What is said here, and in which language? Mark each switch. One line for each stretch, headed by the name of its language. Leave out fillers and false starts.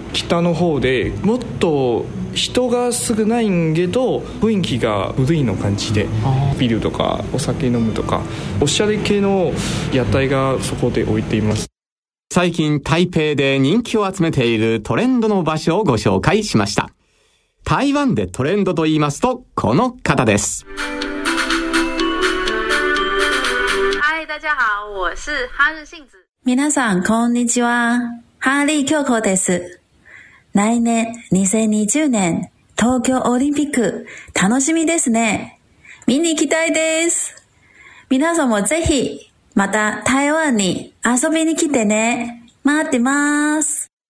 Japanese: 北の方でもっと人が少ないんけど雰囲気が古いの感じで、ビールとかお酒飲むとかおしゃれ系の屋台がそこで置いています。最近台北で人気を集めているトレンドの場所をご紹介しました。台湾でトレンドと言いますと、この方です。
Chinese: 嗨、大家好、我是哈日杏子。
Japanese: 皆さん、こんにちは。ハーリー京子です。来年、2020年、東京オリンピック、楽しみですね。見に行きたいです。皆さんもぜひ、また台湾に遊びに来てね。待ってます。